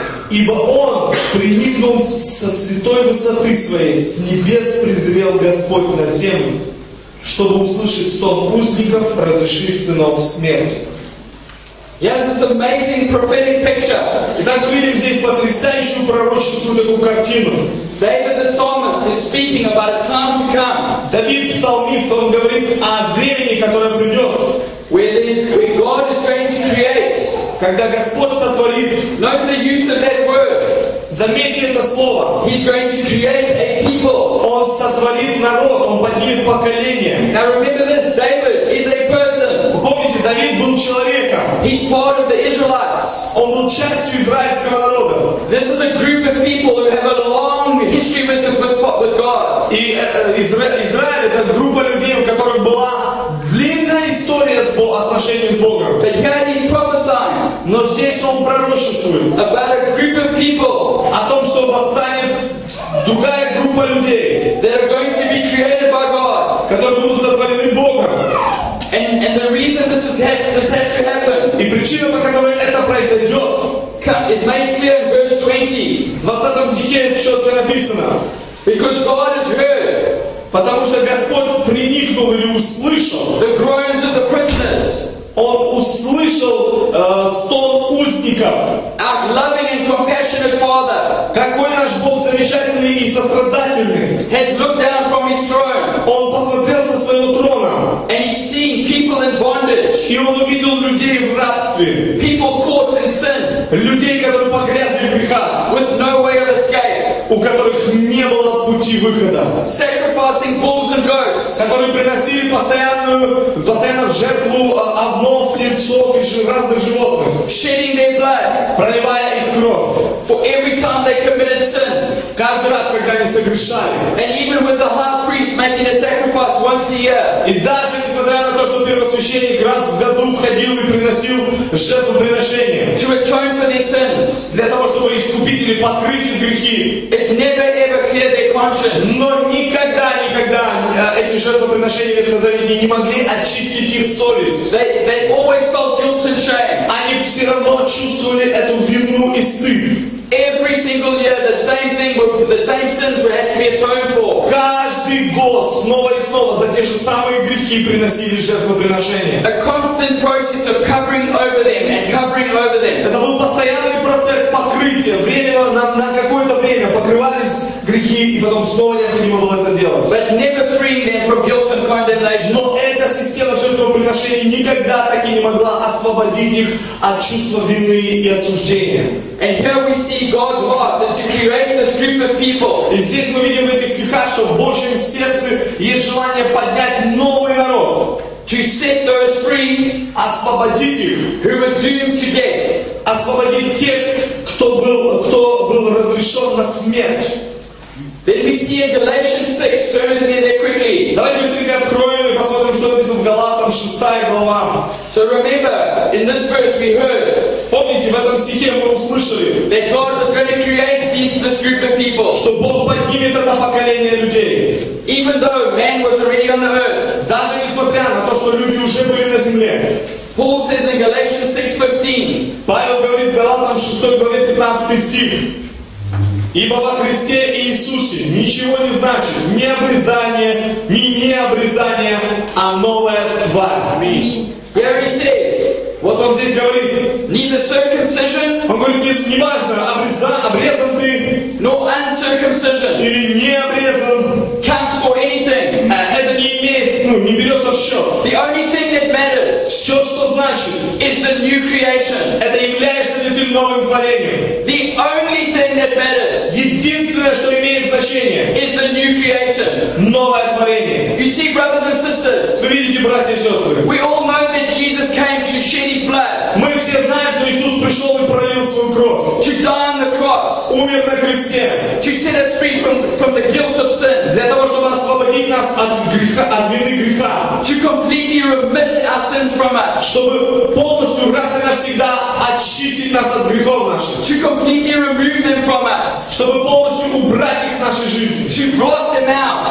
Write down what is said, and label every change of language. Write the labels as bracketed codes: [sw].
[ru] Ибо Он, приникнув со святой высоты своей, с небес презрел Господь на землю, чтобы услышать стон узников, разрешить сынов смерть. [en] Yes, this amazing prophetic picture. [ru] Итак, видим здесь потрясающую пророческую такую картину. [en] David the psalmist is speaking about a time to come. [ru] Давид псалмист, он говорит о времени, которое придет. [en] Where God is going to create. [ru] Когда Господь сотворит. [en] Note the use of that word. [ru] Заметьте это слово. [en] He's going to create a people. [ru] Он сотворит народ, он поднимет поколение. [en] Now remember this, David is a person. [ru] Вы помните, Давид был человеком. [en] He's part of the Israelites. [ru] Он был частью израильского народа. [en] This is a group of people who have a long history with God. [ru] И Израиль это группа людей, у которых была длинная история по отношению с Богом. [en] But here he's prophesying. [ru] Но здесь он пророчествует. [en] About a group of people. [ru] О том, что восстанет другая группа людей. [en] That are going to be created by God. [ru] Которые будут сотворены Богом. [en] And the reason this has to happen. [ru] И причина, по которой это произойдет. [en] Is made clear in verse 20. [ru] В 20 стихе четко написано. [en] Because God has heard. [ru] Потому что Господь приникнул или услышал. [en] The groans of the prisoners. [ru] Он услышал стон узников. [en] Our loving and compassionate Father. [ru] Какой наш Бог замечательный и сострадательный. [en] Has looked down from his throne. [ru] Он посмотрел со своего трона. [en] And he's seen people in bondage. [ru] И он увидел людей в рабстве. [en] People caught in sin. [ru] Людей, которые погрязли в грехах. [en] With no way of escape. [ru] У которых не было пути выхода. [en] Sacrificing bulls and goats. [ru] Которые приносили постоянно в жертву овнов, тельцов и разных животных. [en] Shedding their blood. [ru] Проливая их кровь. [en] For every time they committed sin. [ru] Каждый раз, когда они согрешали. [en] And even with the high priest making a sacrifice once a year. [ru] И даже несмотря на то, что первосвященник раз в году входил и приносил жертвоприношение. [en] To atone for their sins. [ru] Для того, чтобы искупить или покрыть их грехи. [en] It never ever cleared their conscience. [ru] Но никогда эти жертвоприношения ветхозаветные не могли очистить их совесть. [en] They always felt guilt and shame. [ru] Они все равно чувствовали эту вину и стыд. [en] Every single year, the same sins were had to be atoned for. [ru] Каждый год снова и снова за те же самые грехи приносили жертвоприношения. [en] A constant process of covering over them and covering over them. [ru] Это был постоянный процесс покрытия. Временно на какое-то время покрывались грехи, и потом снова необходимо было это делать. [en] But never freeing them from guilt and condemnation. [ru] Но эта система жертвоприношений никогда так и не могла освободить их от чувства вины и осуждения. [en] And here we see God's heart is to create this group of people. [ru] И здесь мы видим в этих стихах, что в Божьем сердце есть желание поднять новый народ. [en] To set those free. [ru] Освободить их. [en] Who were doomed to death. [ru] Освободить тех, кто был разрешен на смерть. [en] Then we see in Galatians 6, turn with me there quickly. [ru] Давайте быстренько откроем и посмотрим, что написано в Галатам 6 глава. [en] So remember, in this verse we heard. [ru] Помните, в этом стихе мы услышали, [en] that God was going to create this group of people. [ru] Что Бог поднимет это поколение людей. [en] Even though man was already on the earth. [ru] Даже несмотря на то, что люди уже были на земле. [en] Paul says in Galatians 6:15. [ru] Павел говорит в Галатам 6 главе 15 стих. Ибо во Христе Иисусе ничего не значит ни обрезание, ни необрезание, а новая тварь. [en] Here he says, [ru] вот он здесь говорит, [en] neither circumcision, [ru] он говорит, не важно, обрезан ты, [en] nor uncircumcision, [ru] или не обрезан, [en] counts for anything. [ru] Это не имеет, не берется в счет. [en] The only thing that matters, [ru] все, что значит, [en] is the new creation. [ru] Это являешься ли ты новым творением. [en] The only thing that matters, [ru] единственное, что имеет значение, [en] is the new creation. [ru] Новое творение. [en] You see, brothers and sisters, [ru] вы видите, братья и сестры, [en] we all know that Jesus came to shed his blood. [ru] Мы все знаем, что Иисус пришел и пролил свою кровь. [en] To die on the cross. [ru] Умер на кресте. [en] To set us free from the guilt of sin. [ru] Для того, чтобы освободить нас от греха, от вины греха. [en] To completely remit our sins from us. [ru] Чтобы полностью раз и навсегда очистить нас от грехов наших. [en] To completely remove them from us. [ru] Чтобы полностью убрать их с нашей жизни. [en] To blot them out.